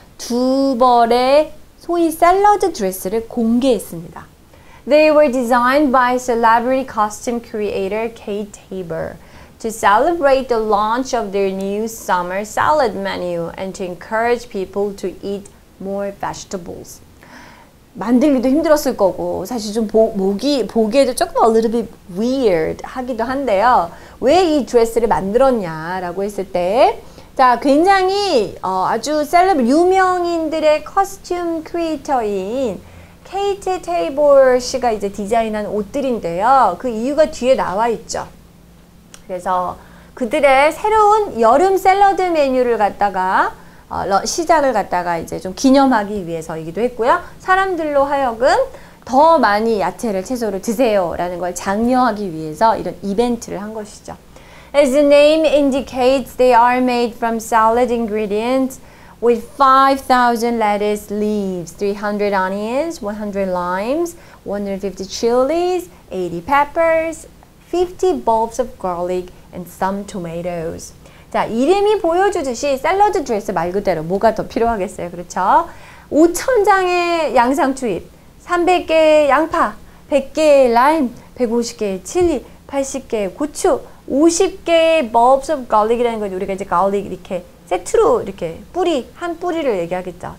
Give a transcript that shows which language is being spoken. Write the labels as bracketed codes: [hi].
[ko] 두 벌의 소위 샐러드 드레스를 공개했습니다. [en] They were designed by celebrity costume creator Kate Tabor to celebrate the launch of their new summer salad menu and to encourage people to eat more vegetables. [ko] 만들기도 힘들었을 거고 사실 좀 보기에도 조금 [en] a little bit weird [ko] 하기도 한데요. 왜 이 드레스를 만들었냐라고 했을 때 자, 굉장히 아주 셀럽 유명인들의 커스튬 크리에이터인 케이트 테이보르 씨가 이제 디자인한 옷들인데요. 그 이유가 뒤에 나와 있죠. 그래서 그들의 새로운 여름 샐러드 메뉴를 갖다가 시작을 갖다가 이제 좀 기념하기 위해서이기도 했고요. 사람들로 하여금 더 많이 야채를 채소를 드세요라는 걸 장려하기 위해서 이런 이벤트를 한 것이죠. [en] As the name indicates, they are made from salad ingredients with 5,000 lettuce leaves, 300 onions, 100 limes, 150 chilies, 80 peppers, 50 bulbs of garlic, and some tomatoes. [ko] 자, 이름이 보여주듯이 샐러드 드레스 말 그대로 뭐가 더 필요하겠어요? 그렇죠? 5,000 장의 양상 투입, 300개의 양파, 100개의 라임, 150개의 칠리, 80개의 고추, 50개의 [en] bulbs of garlic [ko] 이라는 건 우리가 이제 garlic 이렇게 세트로 이렇게 뿌리 한 뿌리를 얘기하겠죠.